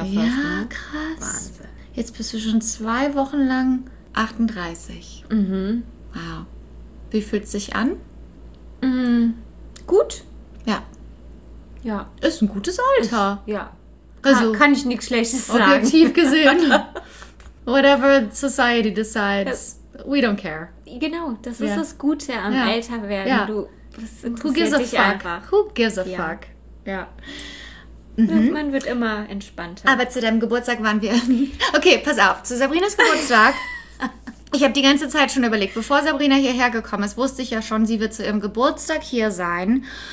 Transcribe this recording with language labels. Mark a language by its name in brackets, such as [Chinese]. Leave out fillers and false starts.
[German] fast. Ja, ne? Krass. Wahnsinn. Jetzt bist du schon 2 Wochen lang 38. Mhm. Wow. Wie fühlt es sich an? Mhm. Gut. Ja. Ja. Ist ein gutes Alter. Ja. Also kann ich nichts Schlechtes sagen. Objektiv gesehen. [English] Whatever society decides, we don't care. [German] Genau, das ist das Gute am Älterwerden. [English] Ja. Who gives a fuck? [German] Ja. Man wird immer entspannter. Aber zu deinem Geburtstag waren wir... Okay, pass auf, zu Sabrinas Geburtstag. Ich habe die ganze Zeit schon überlegt, bevor Sabrina hierher gekommen ist, wusste ich ja schon, sie wird zu ihrem Geburtstag hier sein.